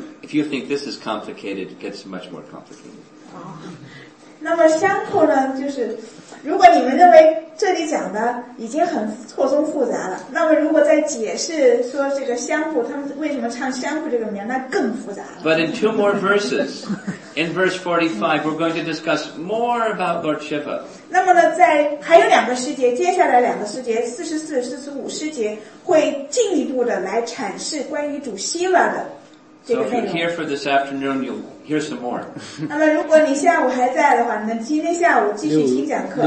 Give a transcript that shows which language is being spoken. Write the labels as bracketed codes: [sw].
[en] if you think this is complicated, it gets much more complicated. [zh] 那么相扣呢，就是如果你们认为这里讲的已经很错综复杂了，那么如果再解释说这个相扣，他们为什么唱相扣这个名，那更复杂了。 [en] But in two more verses, in verse 45, we're going to discuss more about Lord Shiva. [zh] 那么呢，在还有两个诗节，接下来两个诗节，44、45诗节，会进一步的来阐释关于主希瓦的。 [en] So if you're here for this afternoon, you'll hear some more. [zh] 那么如果你下午还在的话，那今天下午继续听讲课。